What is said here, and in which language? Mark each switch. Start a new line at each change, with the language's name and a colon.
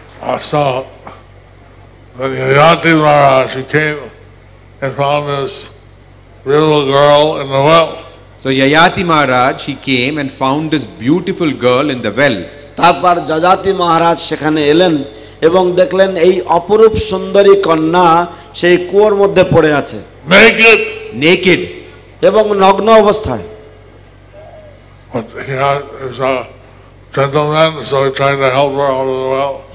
English: I saw that Yayati Maharaj, she came and found this beautiful girl in the well. So Yayati Maharaj, she came and found this beautiful girl in the well.
Bangla: তারপর যযাতি মহারাজ সেখানে এলেন এবং দেখলেন এই অপরূপ সুন্দরী কন্যা সেই কুয়োর মধ্যে পড়ে আছে
English: naked naked
Bangla: এবং নগ্ন অবস্থায়
English: but he was a gentleman so he tried to help her out of the well